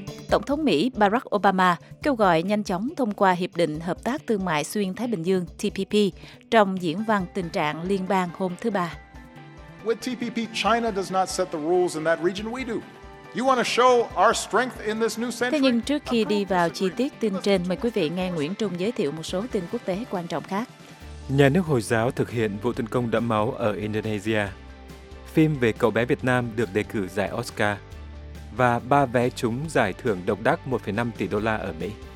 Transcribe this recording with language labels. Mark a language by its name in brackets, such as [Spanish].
[Vietnamese] Tổng thống Mỹ Barack Obama kêu gọi nhanh chóng thông qua Hiệp định Hợp tác Thương mại Xuyên Thái Bình Dương TPP trong diễn văn tình trạng liên bang hôm thứ Ba. [English] With TPP, China does not set the rules in that region, we do. You want to show our strength in this new century? [Vietnamese] Thế nhưng trước khi đi vào chi tiết tin trên, mời quý vị nghe Nguyễn Trung giới thiệu một số tin quốc tế quan trọng khác. Nhà nước Hồi giáo thực hiện vụ tấn công đẫm máu ở Indonesia. Phim về cậu bé Việt Nam được đề cử giải Oscar. Và ba vé trúng giải thưởng độc đắc 1,5 tỷ đô la ở Mỹ.